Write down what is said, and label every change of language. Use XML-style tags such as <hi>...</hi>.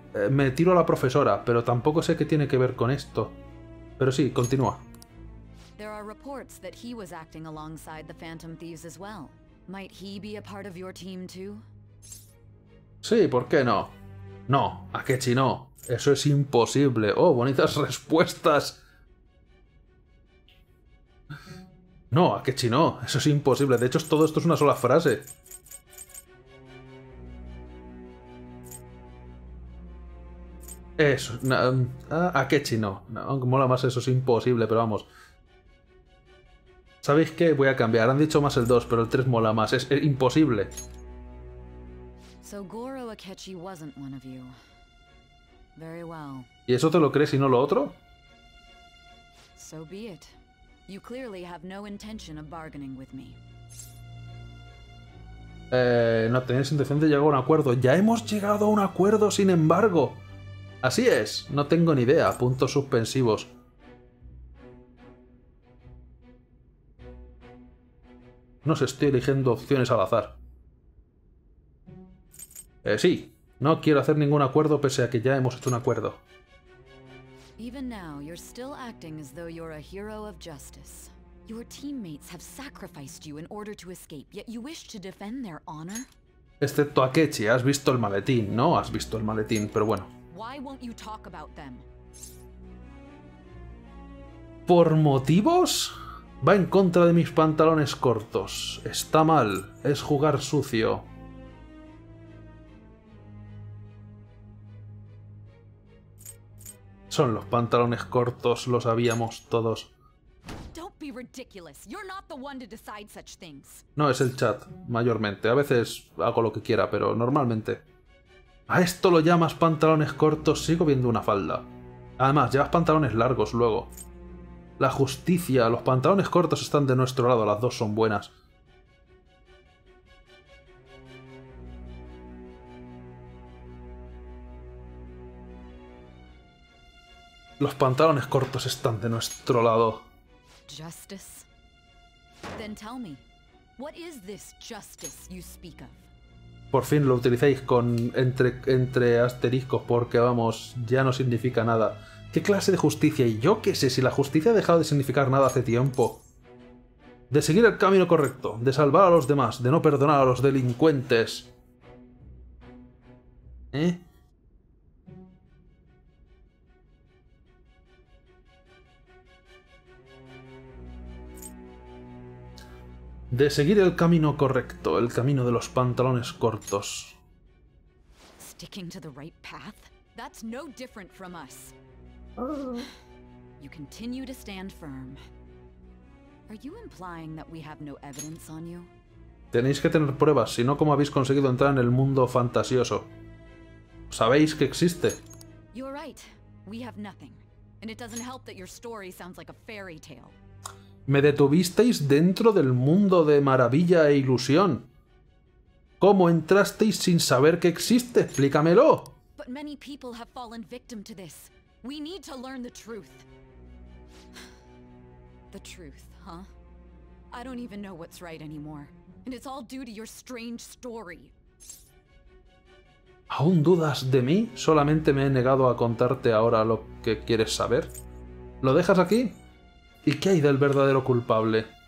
<es>Me tiro a la profesora, pero tampoco sé qué tiene que ver con esto. Pero sí, continúa.</es> <en>There are reports that he was acting alongside the Phantom Thieves as well. Might he be a part of your team too?</en> <es>Sí, ¿por qué no? No, Akechi no. Eso es imposible. Oh, bonitas respuestas. No, Akechi no. Eso es imposible. De hecho, todo esto es una sola frase. Eso. Akechi no. Aunque mola más, eso es imposible, pero vamos. ¿Sabéis qué? Voy a cambiar. Han dicho más el 2, pero el 3 mola más. Es imposible.</es> <en>So Goro Akechi wasn't one of you. Very well.</en> <es>¿Y eso te lo crees y no lo otro?</es> <en>So be it. You clearly have no intention of bargaining with me.</en> <es>No tenéis intención de llegar a un acuerdo. Ya hemos llegado a un acuerdo, sin embargo. Así es. No tengo ni idea. Puntos suspensivos. No sé, estoy eligiendo opciones al azar. Sí, no quiero hacer ningún acuerdo pese a que ya hemos hecho un acuerdo.</es> <en>Even now, you're still acting as though you're a hero of justice. Your teammates have sacrificed you in order to escape, yet you wish to defend their honor.</en> <es>Excepto a Akechi, has visto el maletín, ¿no? Has visto el maletín, pero bueno.</es> <en>Why won't you talk about them?</en> <es>¿Por motivos? Va en contra de mis pantalones cortos. Está mal. Es jugar sucio. Son los pantalones cortos, lo sabíamos todos.</es> <en>Don't be ridiculous. You're not the one to decide such things.</en> <es>No, es el chat, mayormente. A veces hago lo que quiera, pero normalmente. ¿A esto lo llamas pantalones cortos? Sigo viendo una falda. Además, llevas pantalones largos luego. La justicia, los pantalones cortos están de nuestro lado, las dos son buenas. Los pantalones cortos están de nuestro lado.</es> <en>Justice. Then tell me, what is this justice you speak of?</en> <es>Por fin lo utilicéis con entre asteriscos porque vamos, ya no significa nada. ¿Qué clase de justicia? Y yo qué sé, si la justicia ha dejado de significar nada hace tiempo. De seguir el camino correcto, de salvar a los demás, de no perdonar a los delincuentes. ¿Eh? De seguir el camino correcto, el camino de los pantalones cortos.</es> <en>Sticking to the right path? That's no different from us. You continue to stand firm. Are you implying that we have no evidence on you?</en> <es>Tenéis que tener pruebas, si no, ¿cómo habéis conseguido entrar en el mundo fantasioso? Sabéis que existe.</es> <en>You're right. We have nothing. And it doesn't help that your story sounds like a fairy tale.</en> <es>Me detuvisteis dentro del mundo de maravilla e ilusión. ¿Cómo entrasteis sin saber que existe? ¡Explícamelo!</es> <en>But many people have fallen victim to this. We need to learn the truth. The truth, huh? I don't even know what's right anymore. And it's all due to your strange story.</en> <es>¿Aún dudas de mí? Solamente me he negado a contarte ahora lo que quieres saber. ¿Lo dejas aquí? ¿Y qué hay del verdadero culpable?</es>